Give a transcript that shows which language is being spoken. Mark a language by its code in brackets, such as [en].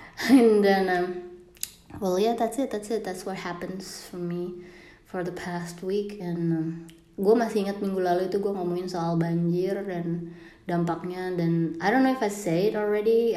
[en] And then, well, yeah, that's it. That's what happens for me for the past week. [id] And gue masih ingat minggu lalu itu gue ngomongin soal banjir dan dampaknya. [en] Dan I don't know if I say it already.